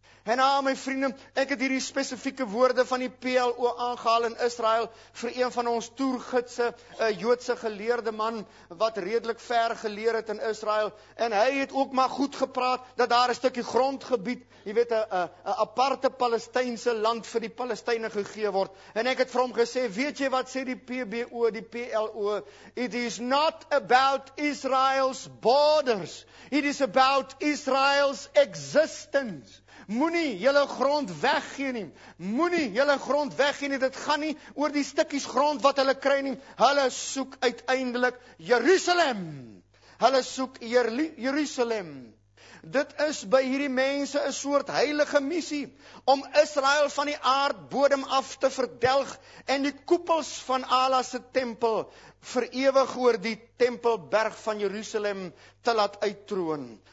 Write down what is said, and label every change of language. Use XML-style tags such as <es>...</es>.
<af>En nou, my vriende, ek het hierdie spesifieke woorde van die PLO aangehaal in Israël vir een van ons toergidse, 'n Joodse geleerde man wat redelik ver geleer het in Israël, en hy het ook maar goed gepraat dat daar 'n stukkie grondgebied, jy weet, 'n aparte Palestynse land vir die Palestynë gegee word. En ek het vir hom gesê: weet jy wat sê die PBO, die PLO?</af> <en>It is not about Israel's borders, it is about Israel's existence.</en> <af>Moenie julle grond weggee nie. Moenie julle grond weggee nie. Dit gaan nie oor die stukkies grond wat hulle kry nie. Hulle soek uiteindelik Jerusalem. Hulle soek Jerusalem. Dit is by hierdie mense 'n soort heilige missie om Israel van die aardbodem af te verdelg en die koepels van Allah se tempel vir ewig oor die tempelberg van Jerusalem te laat uittroon.</af>